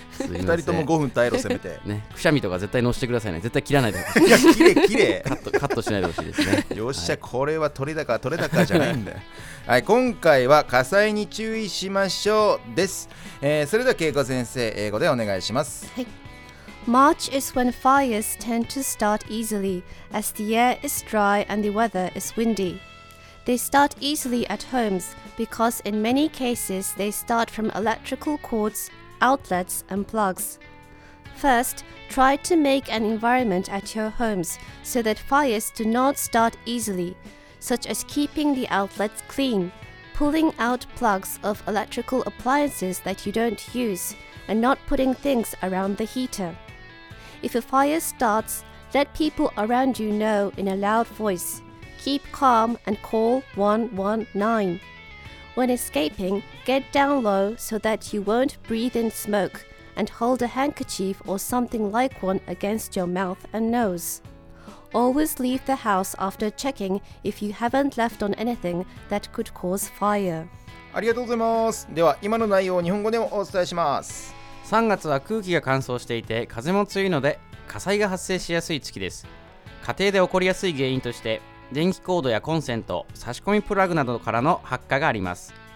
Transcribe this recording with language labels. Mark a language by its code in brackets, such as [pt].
[ja] 2人とも5分耐えろ、せめて。ね、くしゃみとか絶対乗せてくださいね。絶対切らないでください。 いや、切れ切れ。カットしないでほしいですね。よっしゃ、はい、これは取れ高取れ高じゃないんだよ。はい、今回は火災に注意しましょうです。それでは恵子先生、英語でお願いします。はい。 [en] March is when fires tend to start easily, as the air is dry and the weather is windy. They start easily at homes, because in many cases they start from electrical cords, outlets and plugs. First, try to make an environment at your homes so that fires do not start easily, such as keeping the outlets clean, pulling out plugs of electrical appliances that you don't use, and not putting things around the heater. If a fire starts, let people around you know in a loud voice. Keep calm and call 119. When escaping, get down low so that you won't breathe in smoke and hold a handkerchief or something like one against your mouth and nose. Always leave the house after checking if you haven't left on anything that could cause fire. [ja] ありがとうございます。では今の内容を日本語でもお伝えします。 3月は空気が乾燥していて風も強いので火災が発生しやすい月です。家庭で起こりやすい原因として電気コードやコンセント、差し込みプラグなどからの発火があります。